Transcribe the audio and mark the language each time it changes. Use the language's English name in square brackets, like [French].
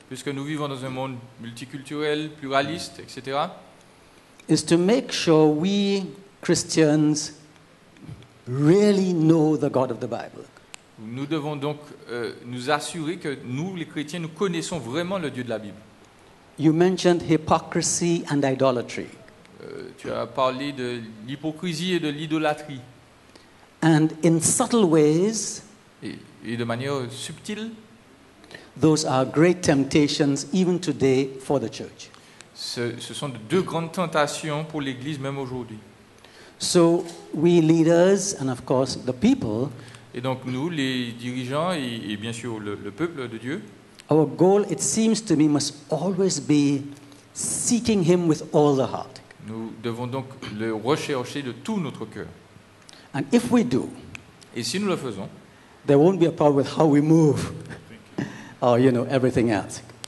[French] puisque nous vivons dans un monde multiculturel, pluraliste, etc., [English] is to make sure we Christians really know the God of the Bible. [French] Nous devons donc nous assurer que nous, les chrétiens, nous connaissons vraiment le Dieu de la Bible. [English] You mentioned hypocrisy and idolatry. [French] Tu as parlé de l'hypocrisie et de l'idolâtrie. [English] And in subtle ways, [French] et de manière subtile, [English] those are great temptations even today for the church. [French] Ce sont deux grandes tentations pour l'Église même aujourd'hui. [English] So we leaders and of course the people, [French] et donc nous les dirigeants et bien sûr le peuple de Dieu, [English] our goal it seems to me must always be seeking him with all the heart. [French] Nous devons donc le rechercher de tout notre cœur. [English] And if we do, [French] et si nous le faisons, [English] there won't be a problem with how we move or, you know, everything else.